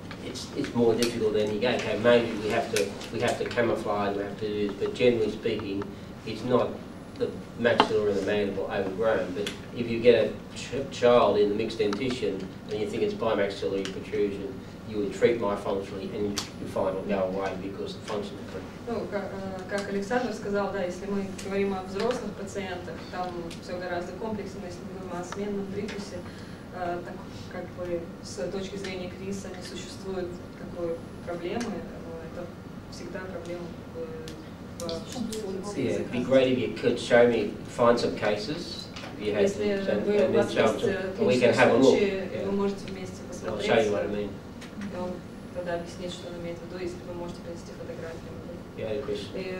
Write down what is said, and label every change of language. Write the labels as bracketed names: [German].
[English] it's more difficult than you go, okay, maybe we have to camouflage, we have to do this, but generally speaking, it's not the maxilla and the mandible overgrown. But if you get a child in the mixed dentition and you think it's bimaxillary protrusion, you would treat myofunctionally and you find it will go away because the function is correct. [Russian] Ну, как Александр сказал, да, если мы говорим о взрослых пациентах, там все гораздо комплекснее, если мы говорим о сменном прикусе, так как бы с точки зрения Криса не существует такой проблемы, это всегда проблема в функции. [English] Yeah, it'd be great if you could show me, find some cases, if you have to, we can have a look. Yeah. [Russian] Вы можете вместе посмотреть. [English] I'll show you what I mean. [Russian] Он тогда объяснит, что он имеет в виду, если вы можете принести фотографию.